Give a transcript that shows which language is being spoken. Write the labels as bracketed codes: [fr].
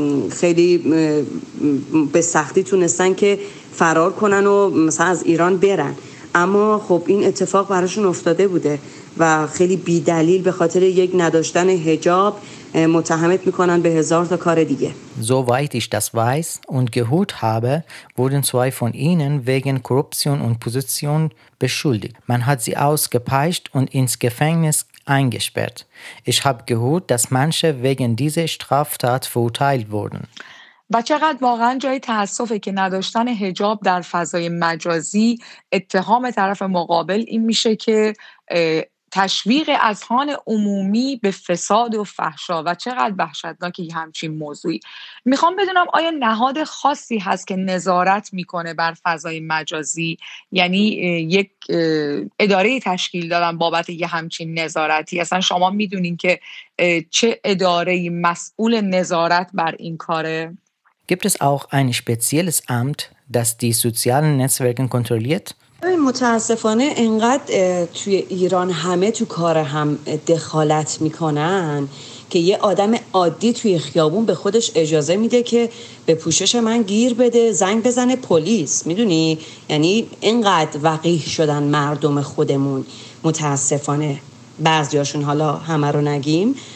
[fa] خیلی به سختی تونستن که فرار کنن و مثلا از ایران برن، اما خب این اتفاق براشون افتاده بوده و خیلی بی دلیل به خاطر یک نداشتن حجاب متهمت میکنن به هزار تا کار دیگه. [de] Soweit ich das weiß und gehört habe, wurden zwei von ihnen wegen Korruption und Position beschuldigt. Man hat sie ausgepeitscht und ins Gefängnis eingesperrt. Ich habe gehört, dass manche wegen dieser Straftat verurteilt wurden. [fa] و چقدر واقعا جای تأسفه که نداشتن حجاب در فضای مجازی اتهام طرف مقابل این میشه که تشویق اذهان عمومی به فساد و فحشا و چقدر وحشتناکی همچین موضوعی. میخوام بدونم آیا نهاد خاصی هست که نظارت میکنه بر فضای مجازی؟ یعنی یک اداره تشکیل دادن بابت یه همچین نظارتی؟ اصلا شما میدونین که چه اداره مسئول نظارت بر این کاره؟ [de] Gibt es auch ein spezielles Amt, das die sozialen Netzwerke kontrolliert? [fa] متاسفانه اینقدر توی ایران همه تو کار هم دخالت میکنن که یه آدم عادی توی خیابون به خودش اجازه میده که به پوشش من گیر بده، زنگ بزنه پلیس، میدونی؟ یعنی اینقدر وقیح شدن مردم خودمون متاسفانه، بعضیاشون، حالا همه رو نگیم،